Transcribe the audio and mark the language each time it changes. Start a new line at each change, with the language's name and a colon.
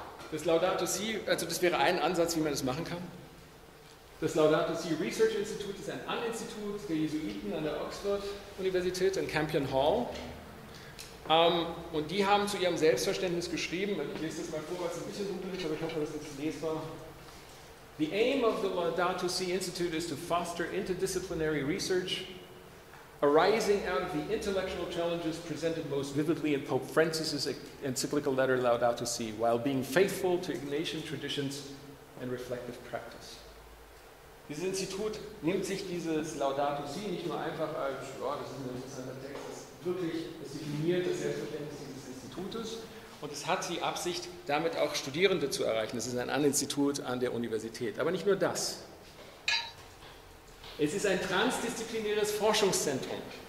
German: Das Laudato Si, also das wäre ein Ansatz, wie man das machen kann. Das Laudato Si Research Institute ist ein An-Institut der Jesuiten an der Oxford-Universität in Campion Hall. Und die haben zu ihrem Selbstverständnis geschrieben, ich lese das mal vor, weil es ein bisschen dunkel ist, aber ich hoffe, das ist lesbar.
English: The aim of the Laudato Si Institute is to foster interdisciplinary research arising out of the intellectual challenges presented most vividly in Pope Francis's encyclical letter Laudato Si, while being faithful to Ignatian traditions and reflective practice.
German: Dieses Institut nimmt sich dieses Laudato Si nicht nur einfach als, das ist ein interessanter Text, es definiert das Selbstverständnis dieses Institutes und es hat die Absicht, damit auch Studierende zu erreichen. Es ist ein An-Institut an der Universität. Aber nicht nur das. Es ist ein transdisziplinäres Forschungszentrum.